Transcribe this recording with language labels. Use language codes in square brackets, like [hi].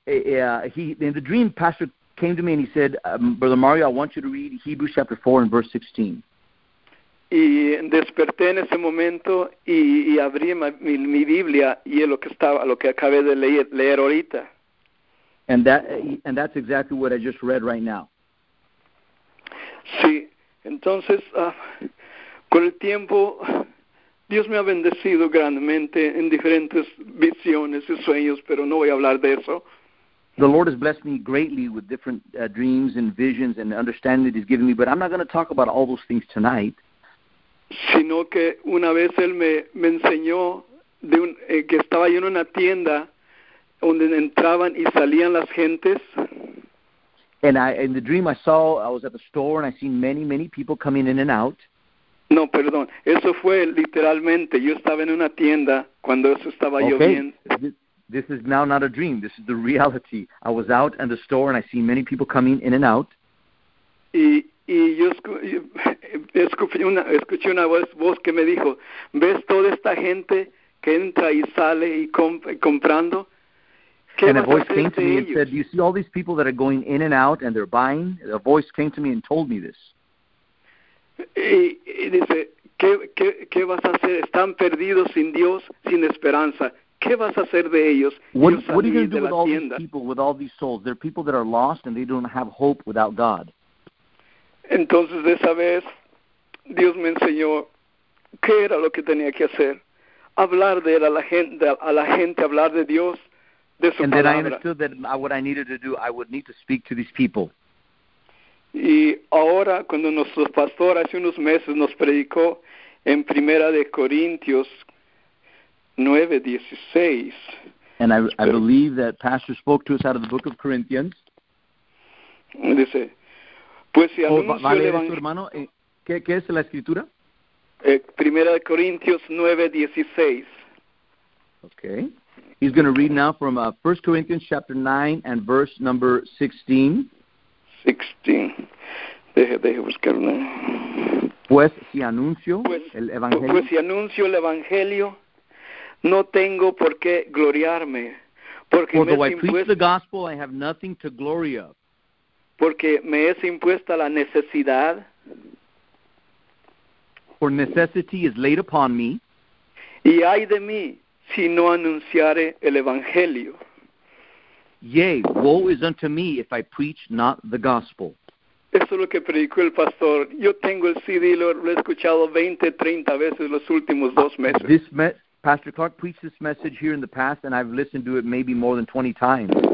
[en] In the dream, pastor came to me and he said, Brother Mario, I want you to read Hebrews chapter 4 and verse 16. [es] Y desperté en ese momento y abrí mi Biblia y es lo que acabé de leer ahorita. [en] And that's exactly what I just read right now. [es] Sí, entonces, con el tiempo, Dios me ha bendecido grandemente en diferentes visiones y sueños, pero no voy a hablar de eso. [en] The Lord has blessed me greatly with different dreams and visions and understanding that he's given me, but I'm not going to talk about all those things tonight. [es] sino que una vez él me enseñó de que estaba yo en una tienda donde entraban y salían las gentes. [en] And I, in the dream, I saw I was at the store and I seen many, many people coming in and out. [es] No, perdón. Eso fue literalmente. Yo estaba en una tienda cuando eso estaba lloviendo. [en] Okay. This is now not a dream. This is the reality. I was out in the store and I seen many people coming in and out. [es] Y yo escuché una voz que me dijo, ¿ves toda esta gente que entra y sale y comprando? [en] And a voice came to me and said, do you see all these people that are going in and out and they're buying? A voice came to me and told me this. [es] Y dice, ¿qué vas a hacer? Están perdidos sin Dios, sin esperanza. ¿Qué vas a hacer de ellos? [en] What are you going to do with all these people, with all these souls? They're people that are lost and they don't have hope without God. [es] Entonces, de esa vez, Dios me enseñó qué era lo que tenía que hacer. Hablar de él a la gente, hablar de Dios. [en] And then I understood that what I needed to do, I would need to speak to these people. [es] Y ahora, cuando nuestro pastor hace unos meses nos predicó en Primera de Corintios 9:16. [en] And I believe that pastor spoke to us out of the book of Corinthians. [es] Dice, pues si anuncio el evangelio. ¿Vale esto, hermano? ¿Qué es la escritura? Primera de Corintios 9:16. [en] Okay. He's going to read now from 1 Corinthians chapter 9 and verse number 16. [es] 16. Deje buscarlo. Pues si anuncio el evangelio. Pues si anuncio el evangelio, no tengo por qué gloriarme. Porque me es impuesto. [en] Preach the gospel, I have nothing to glory of. [es] Porque me es impuesta la necesidad. [en] For necessity is laid upon me. [es] Y ay de mí. Si no anunciare el evangelio. [en] Yea, woe is unto me if I preach not the gospel. [es] Eso es lo que predicó el pastor. Yo tengo el CD, lo he escuchado 20, 30 veces los últimos dos meses. [en] Pastor Clark preached this message here in the past, and I've listened to it maybe more than 20 times.